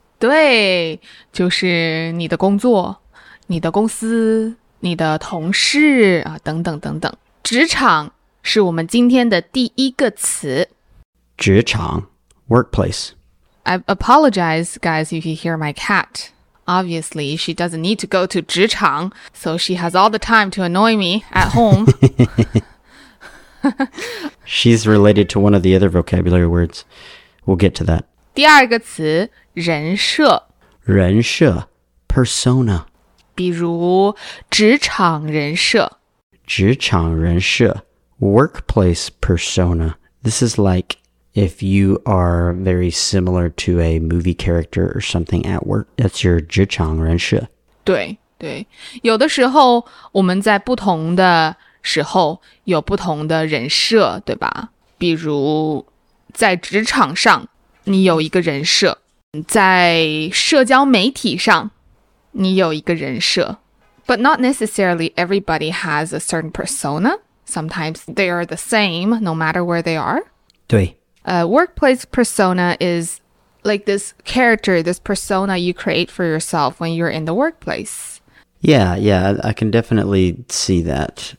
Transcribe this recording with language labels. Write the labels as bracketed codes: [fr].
[zh] 对,就是你的工作,你的公司,你的同事,啊,等等等等。职场是我们今天的第一个词。职场 ,workplace. [en] I apologize, guys, if you hear my cat. Obviously, she doesn't need to go to 职场, so she has all the time to annoy me at home. She's related to one of the other vocabulary words. We'll get to that. [zh] 第二个词,人设。人设, persona. 比如,职场人设。 [en] 职场人设, workplace persona. This is like... If you are very similar to a movie character or something at work, that's your 职场人设。 [zh] 对对，有的时候我们在不同的时候有不同的人设，对吧？比如在职场上，你有一个人设；在社交媒体上，你有一个人设。 [en] But not necessarily everybody has a certain persona. Sometimes they are the same, no matter where they are. [zh] 对。 [en] Workplace persona is like this character, this persona you create for yourself when you're in the workplace. Yeah, I can definitely see that.